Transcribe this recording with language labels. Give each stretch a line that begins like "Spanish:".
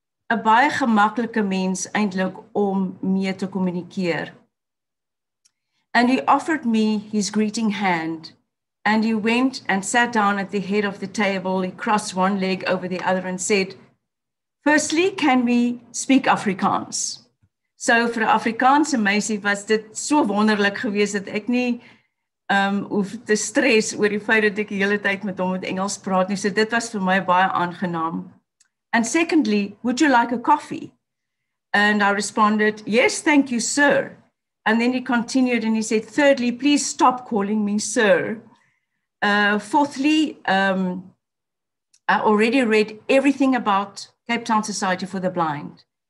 Afrikaans: A baie gemakkelike mens eintlik om mee te kommunikeer.
English: And he offered me his greeting hand, and he went and sat down at the head of the table. He crossed one leg over the other and said, firstly, can we speak Afrikaans? So for Afrikaans, amazing,
Afrikaans: was dit so wonderlik gewees dat ek nie hoef te stres oor die feit dat ek die hele tyd met hom in Engels praat nie. So dit was vir my baie aangenaam.
English: And secondly, would you like a coffee? And I responded, yes, thank you, sir. And then he continued and he said, thirdly, please stop calling me sir. Fourthly, I already read everything about Cape Town Society for the Blind.